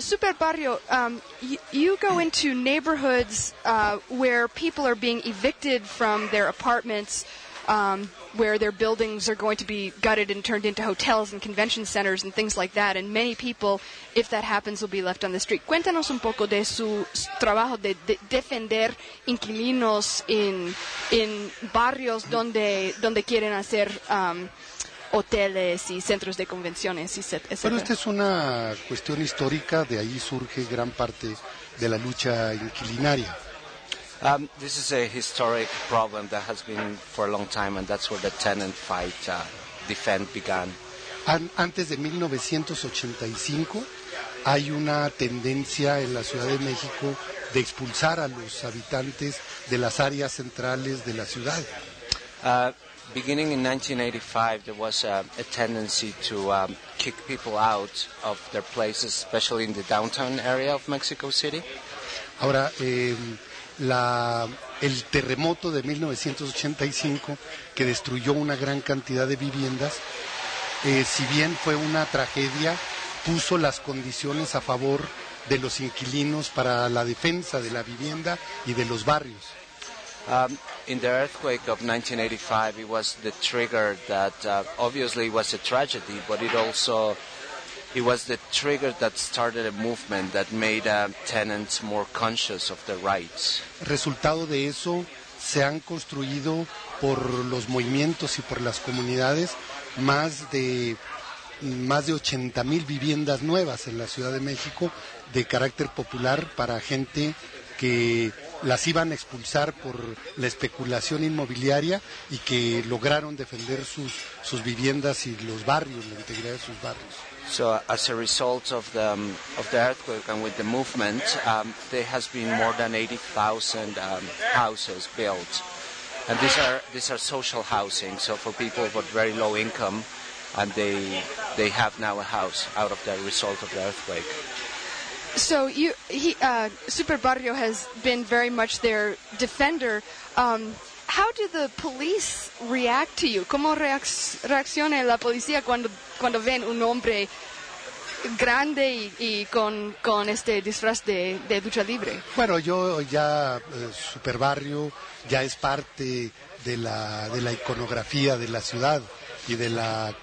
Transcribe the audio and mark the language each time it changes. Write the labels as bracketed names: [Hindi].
[English] Super Barrio, you go into neighborhoods where people are being evicted from their apartments, where their buildings are going to be gutted and turned into hotels and convention centers and things like that. And many people, if that happens, will be left on the street. [Spanish] Cuéntanos un poco de su trabajo de defender inquilinos in barrios donde quieren hacer hoteles y centros de convenciones, etc. Bueno, esta es una cuestión histórica. De ahí surge gran parte de la lucha inquilinaria. [English] This is a historic problem that has been for a long time, and that's where the tenant fight defend began. [Spanish] Antes de 1985, hay una tendencia en la Ciudad de México de expulsar a los habitantes de las áreas centrales de la ciudad. [English] Beginning in 1985, there was a tendency to kick people out of their places, especially in the downtown area of Mexico City. [Spanish] Ahora, el terremoto de 1985, que destruyó una gran cantidad de viviendas, si bien fue una tragedia, puso las condiciones a favor de los inquilinos para la defensa de la vivienda y de los barrios. [English] In the earthquake of 1985, it was the trigger that obviously it was a tragedy, but it was the trigger that started a movement that made tenants more conscious of their rights. [Spanish] Resultado de eso, se han construido por los movimientos y por las comunidades más de 80,000 viviendas nuevas en la Ciudad de México de carácter popular para gente que las iban a expulsar por la especulación inmobiliaria y que lograron defender sus viviendas y los barrios, la integridad de sus barrios. [English] So as a result of the earthquake and with the movement, there has been more than 80,000 houses built. And these are social housing, so for people with very low income, and they have now a house out of the result of the earthquake. So Super Barrio has been very much their defender. How do the police react to you? [Spanish] ¿Cómo reacciona la policía cuando ven un hombre grande y con este disfraz de lucha libre? Bueno, yo ya, Super Barrio ya es parte de la iconografía de la ciudad y de la cultura.